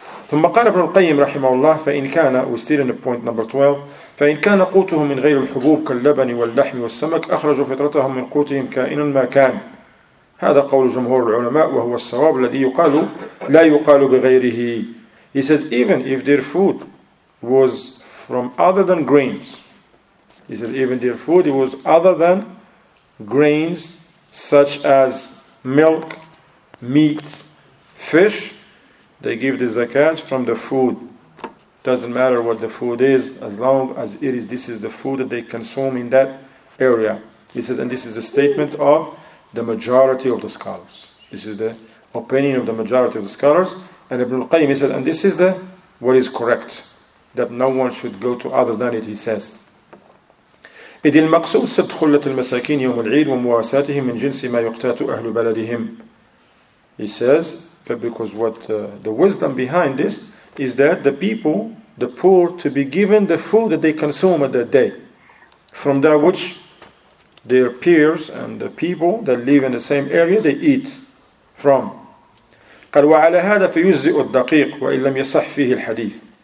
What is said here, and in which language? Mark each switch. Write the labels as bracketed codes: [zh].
[ar] ثم قال ابن القيم رحمه الله فإن كان وستير [en] in point number 12 [ar] فإن كان قوتهم من غير الحبوب كاللبن واللحم والسمك أخرجوا فطرتهم من قوتهم كائن ما كان هذا قول جمهور العلماء وهو الصواب الذي يقال لا يقال بغيره. [en] He says, even if their food was from other than grains, he says, even their food it was other than grains such as milk, meat, fish, they give the zakat from the food. Doesn't matter what the food is, as long as it is, this is the food that they consume in that area. He says, and this is the statement of the majority of the scholars. This is the opinion of the majority of the scholars. And Ibn al-Qayyim, he says, and this is the what is correct, that no one should go to other than it, he says. [ar] إذ المقصود سد خلة المساكين يوم العيد ومواساتهم من جنس ما يقتات أهل بلدهم. [en] He says, but because what the wisdom behind this is that the people, the poor, to be given the food that they consume at that day, from that which their peers and the people that live in the same area, they eat from. [ar] قال وعلى هذا فيجزئ الدقيق وإن لم يصح فيه الحديث.